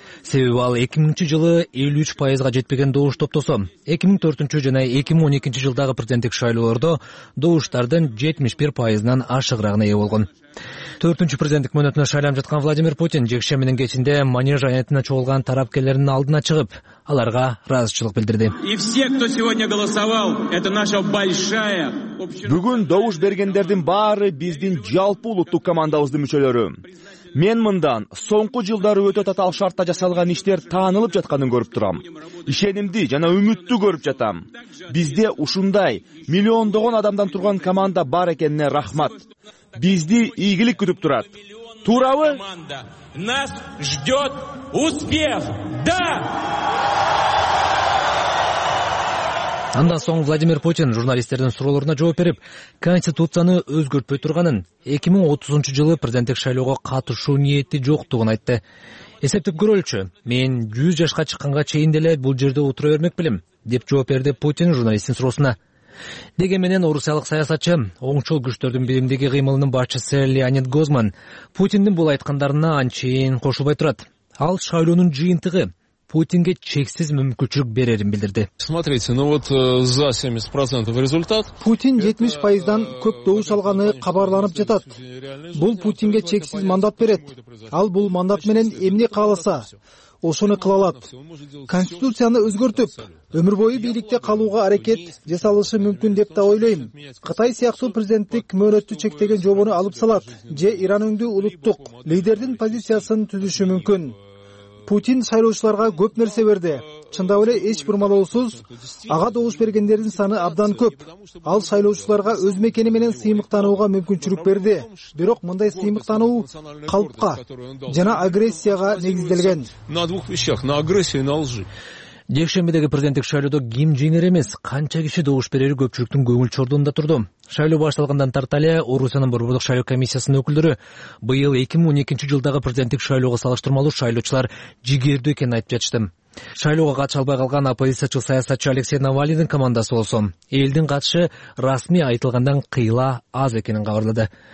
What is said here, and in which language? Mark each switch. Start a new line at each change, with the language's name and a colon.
Kyrgyz: Себеби ал 2000-жылы 53% жетпеген добуш топтосо, 2004 жана 2012 жылдагы президенттик шайлоолордо добуштардын 71% ашыгыраагына ээ болгон. 4-чү президенттик мөөнөтүнө шайланып жаткан Владимир Путин жекшембинин кечинде манеж аянтына чогулган тарапкерлердин алдына чыгып, аларга ыраазычылык билдирди.
Russian: И все, кто сегодня голосовал, это наша большая община.
Kyrgyz: Бүгүн добуш бергендердин баары биздин жалпы улуттук командабыздын мүчөлөрү. Мен мындан соңку жылдары өтө татаал шартта жасалган иштер таанылып жатканын көрүп турам. Ишенимди жана үмүттү көрүп жатам. Бизде ушундай миллиондогон адамдан турган команда бар экенине рахмат. Бизди ийгилик күтүп турат. Туурабы?
Russian: Нас ждёт успех. Да!
Kyrgyz: Андан соң Владимир Путин журналисттердин суроолоруна жооп берип, конституцияны өзгөртпөй турганын, 2030 жылы президенттик шайлоого катышуу ниети жоктугун айтты. Эсептеп көрөлчү, мен 100 жашка чыкканга чейин деле бул жерде отура бермек белем, деп жооп берди Путин журналисттин суроосуна. Деге менен орусиялык саясатчы, оңчул күчтөрдүн билимдеги кыймылынын башчысы Леонид Гозман Путиндин бул айткандарына анчейин кошулбай турат. Ал шайлоонун жыйынтыгы Путинге чексиз мүмкүнчүлүк берерин билдирди.
Russian: Смотрите, ну вот за 70% результат.
Kyrgyz: Путин 70%дан көп добуш алганы кабарланып жатат. Бул Путинге чексиз мандат берет. Ал бул мандат менен эмне кааласа, ошону кыла алат. Конституцияны өзгөртүп, өмүр бою бийликте калууга аракет жасалышы мүмкүн деп да ойлойм. Кытай сыяктуу президенттик мөөнөттү чектеген жобону алып салат же Иран өңдүү улуттук лидердин позициясын түзүшү мүмкүн. Путин шайлоочуларга көп нерсе берди. Чындап эле эч бурмалоосуз ага добуш бергендердин саны абдан көп. Ал шайлоочуларга өз мекени менен сыймыктанууга мүмкүнчүлүк берди. Бирок мындай сыймыктануу калыпка жана агрессияга негизделген.
Russian: На двух вещах: на агрессии и на лжи.
Kyrgyz: Жекшембидеги президенттик шайлоодо ким жеңер эмес, канча киши добуш берери көпчүлүктүн көңүл чордуунда турду. Шайлоо башталгандан тарта эле Орусиянын борбордук шайлоо комиссиясынын өкүлдөрү быйыл 2012 жылдагы президенттик шайлоого салыштырмалуу шайлоочулар жигердүү экенин айтып жатышты. Шайлоого катыша албай калган оппозициячыл саясатчы Алексей Навалийдин командасы болсо, элдин катышы расмий айтылгандан кыйла аз экенин кабарлады.